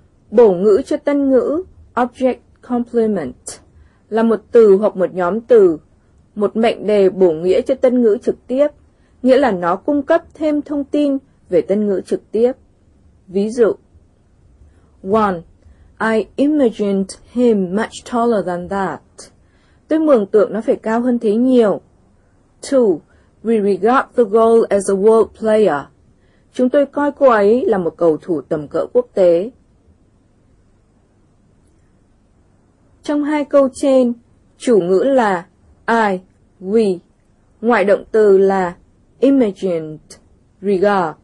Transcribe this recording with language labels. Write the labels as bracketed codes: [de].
[vi] Bổ ngữ cho tân ngữ, object complement, là một từ hoặc một nhóm từ, một mệnh đề bổ nghĩa cho tân ngữ trực tiếp, nghĩa là nó cung cấp thêm thông tin về tân ngữ trực tiếp. Ví dụ 1. [en] I imagined him much taller than that. [vi] Tôi mường tượng nó phải cao hơn thế nhiều. 2. [en] We regard the goal as a world player. [vi] Chúng tôi coi cô ấy là một cầu thủ tầm cỡ quốc tế. Trong hai câu trên, chủ ngữ là I, we. Ngoại động từ là imagined, regard.